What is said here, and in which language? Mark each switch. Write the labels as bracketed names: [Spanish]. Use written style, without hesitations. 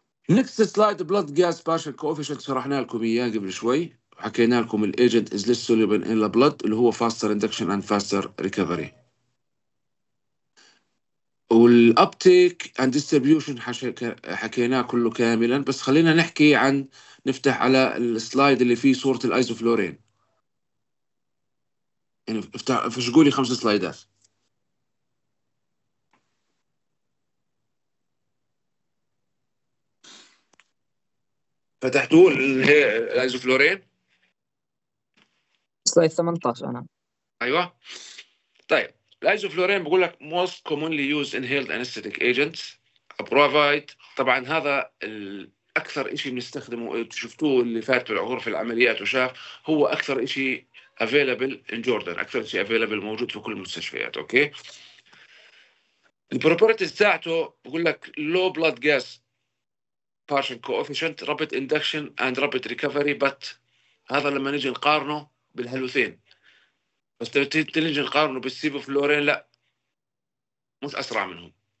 [English] Next slide blood gas partial coefficient [Arabic] شرحنا لكم إياه قبل شوي وحكينا لكم [English] the agent is less soluble in the blood [Arabic] اللي هو [English] faster induction and faster recovery. [Arabic] والابتيك اند ديستريبيوشن حكيناه كله كاملا، بس خلينا نحكي عن، نفتح على السلايد اللي فيه صوره الايزوفلورين. يعني افتح فش قولي خمس سلايدات. فتحتوا الايزوفلورين سلايد 18 انا. ايوه طيب، الايزوفلورين بقول لك [English] most commonly used inhaled anesthetic agent provide. [Arabic] طبعا هذا الاكثر شيء بنستخدمه، شفتوه اللي فات في غرف العمليات وشاف، هو اكثر شيء افيلبل ان جوردن، اكثر شيء افيلبل موجود في كل المستشفيات. اوكي البروبرتيز بتاعته بقول لك [English] low blood gas partial coefficient rapid induction and rapid recovery، [Arabic] but هذا لما نجي نقارنه بالهالوثين، بس تلج نقارنه بالسيبوفلورين لا مش اسرع منهم.